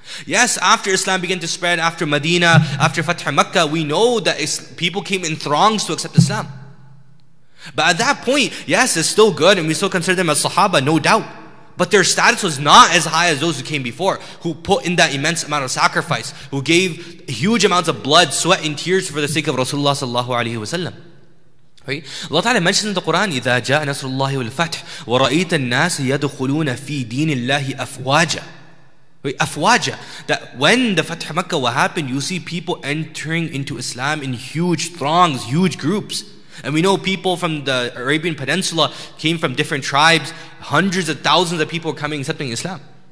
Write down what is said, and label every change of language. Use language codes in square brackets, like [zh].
[en] Yes, after Islam began to spread, after Medina, after Fatah Makkah, we know that people came in throngs to accept Islam. But at that point, yes, it's still good, and we still consider them as Sahaba, no doubt. But their status was not as high as those who came before, who put in that immense amount of sacrifice, who gave huge amounts of blood, sweat, and tears for the sake of Rasulullah sallallahu alaihi wasallam. Allah Ta'ala mentions in the Quran, [ar] إذا جاء نصر الله والفتح ورأيت الناس يدخلون في دين الله أفواجا. [en] Afwaja, that when the Fatah Makkah will happen, you see people entering into Islam in huge throngs, huge groups. And we know people from the Arabian Peninsula came from different tribes, hundreds of thousands of people are coming accepting Islam.